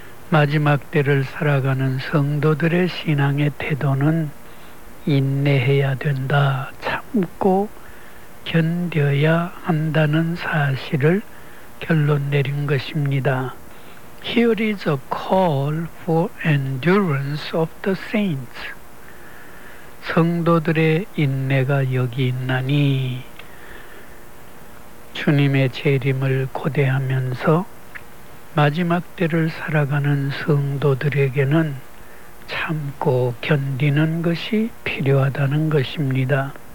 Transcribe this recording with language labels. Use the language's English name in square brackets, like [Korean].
[Korean] 마지막 때를 살아가는 성도들의 신앙의 태도는 인내해야 된다, 참고 견뎌야 한다는 사실을 결론 내린 것입니다. [English] Here is a call for endurance of the saints. [Korean] 성도들의 인내가 여기 있나니 주님의 재림을 고대하면서 마지막 때를 살아가는 성도들에게는 참고 견디는 것이 필요하다는 것입니다.